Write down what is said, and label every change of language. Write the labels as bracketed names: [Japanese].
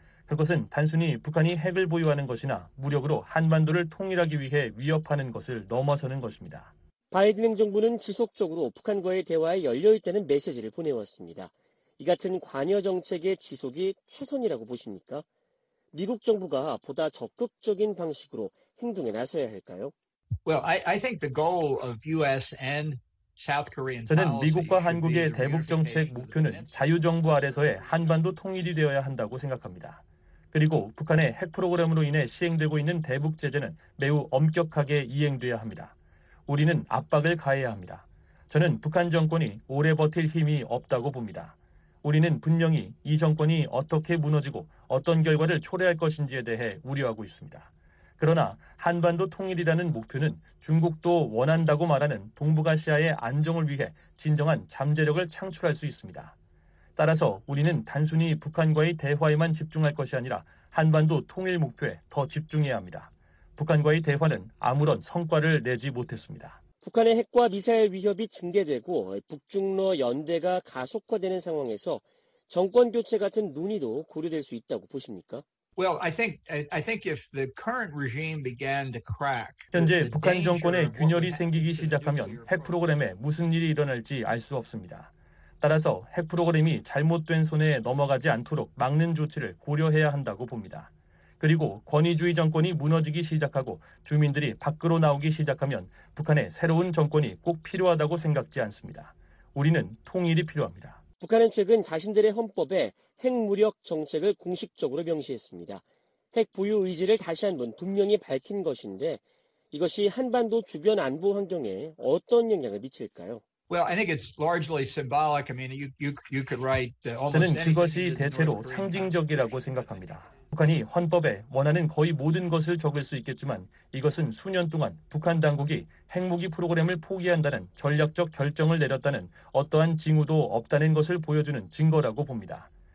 [Korean] 그것은 단순히 북한이 핵을 보유하는 것이나 무력으로 한반도를 통일하기 위해 위협하는 것을 넘어서는 것입니다. 바이든 행정부는 지속적으로 북한과의 대화에 열려있다는 메시지를 보내왔습니다. 이 같은 관여 정책의 지속이 최선이라고 보십니까? 미국 정부가 보다 적극적인 방식으로 행동에 나서야 할까요? [English] Well, I think the goal of US and [Korean] 저는 미국과 한국의 대북정책 목표는 자유정부 아래서의 한반도 통일이 되어야 한다고 생각합니다. 그리고 북한의 핵 프로그램으로 인해 시행되고 있는 대북 제재는 매우 엄격하게 이행돼야 합니다. 우리는 압박을 가해야 합니다. 저는 북한 정권이 오래 버틸 힘이 없다고 봅니다. 우리는 분명히 이 정권이 어떻게 무너지고 어떤 결과를 초래할 것인지에 대해 우려하고 있습니다. 그러나 한반도 통일이라는 목표는 중국도 원한다고 말하는 동북아시아의 안정을 위해 진정한 잠재력을 창출할 수 있습니다. 따라서 우리는 단순히 북한과의 대화에만 집중할 것이 아니라 한반도 통일 목표에 더 집중해야 합니다. 북한과의 대화는 아무런 성과를 내지 못했습니다. 북한의 핵과 미사일 위협이 증대되고 북중러 연대가 가속화되는 상황에서 정권 교체 같은 논의도 고려될 수 있다고 보십니까? [English] Well, I think if the current regime began to crack, [Korean] 현재 북한 정권의 균열이 생기기 시작하면 핵 프로그램에 무슨 일이 일어날지 알 수 없습니다. 따라서 핵 프로그램이 잘못된 손에 넘어가지 않도록 막는 조치를 고려해야 한다고 봅니다. 그리고 권위주의 정권이 무너지기 시작하고 주민들이 밖으로 나오기 시작하면 북한의 새로운 정권이 꼭 필요하다고 생각지 않습니다. 우리는 통일이 필요합니다. 북한은 최근 자신들의 헌법에 핵무력 정책을 공식적으로 명시했습니다. 핵 보유 의지를 다시 한번 분명히 밝힌 것인데 이것이 한반도 주변 안보 환경에 어떤 영향을 미칠까요? [English] Well, I think it's largely symbolic. I mean, you could write almost anything. [Korean] 저는 그것이 대체로 상징적이라고 생각합니다. 북한이 헌법에 원하는 거의 모든 것을 적을 수 있겠지만 이것은 수년 동안 북한 당국이 핵무기 프로그램을 포기한다는 전략적 결정을 내렸다는 어떠한 징후도 없다는 것을 보여주는 증거라고 봅니다.